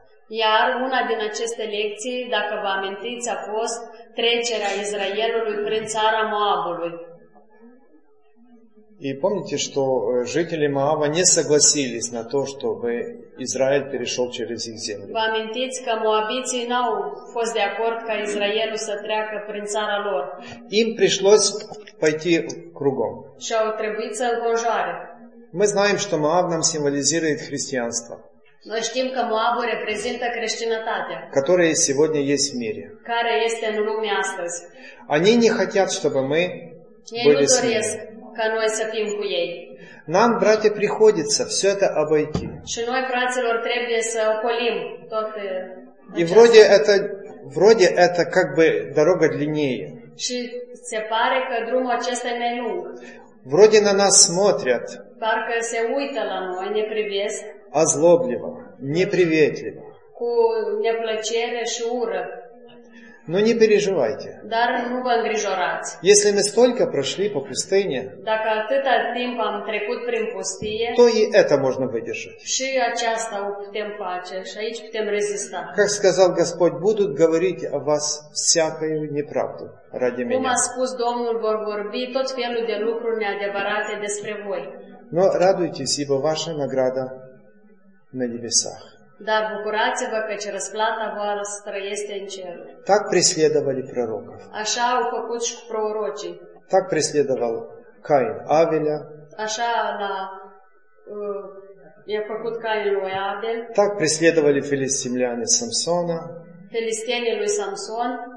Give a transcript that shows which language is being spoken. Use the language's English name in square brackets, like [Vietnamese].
[Romanian] Iar una din aceste lecții, dacă vă amintiți, a fost trecerea Israelului prin țara Moabului. [Russian] И помните, что жители Моава не согласились на то, чтобы Израиль перешел через их землю. [Romanian] Vă amintiți că moabiții n-au fost de acord ca Israelul să treacă prin țara lor. [Russian] Им пришлось пойти кругом. [Romanian] Și au trebuit să înconjoare. [Russian] Мы знаем, что Моав нам символизирует христианство. [Romanian] Noi știm că Moabul reprezintă creștinătatea. [Russian] Которая сегодня есть в мире. [Romanian] Care este în lume astăzi. [Russian] Они не хотят, чтобы мы [Romanian] ei [Russian] были с ними. [Romanian] Ca noi să fim cu ei. [Russian] Нам, братья, приходится все это обойти. [Romanian] Și noi, fraților, trebuie să ocolim tot и această. [Russian] вроде это как бы дорога длиннее. [Romanian] Și se pare că drumul acesta e mai lung. [Russian] Вроде на нас смотрят. [Romanian] Parcă se uită la noi, ne privesc. [Russian] Озлобливо, неприветливо. [Romanian] Cu neplăcere și ură. [Russian] Но не переживайте. [Romanian] Dar nu vă îngrijorați. [Russian] Если мы столько прошли по пустыне, [Romanian] dacă atâta timp am trecut prin pustie, [Russian] то и это можно выдержать. [Romanian] Și aceasta o putem face, și aici putem rezista. [Russian] Как сказал Господь, будут говорить о вас всякую неправду ради меня. [Romanian] Cum a spus Domnul, vor vorbi tot felul de lucruri neadevărate despre voi. [Russian] Но радуйтесь, ибо ваша награда на небесах. [Romanian] Dar bucurați-vă, căci răsplata voastră este în ceruri. [Russian] Так преследовали пророков. [Romanian] Așa au făcut și cu prorocii. [Russian] Так преследовал Каин Авеля. [Romanian] Așa l-a făcut Каин lui Авел. [Russian] Так преследовали филистимляне Самсона. [Romanian] Филистимляне lui Самсон.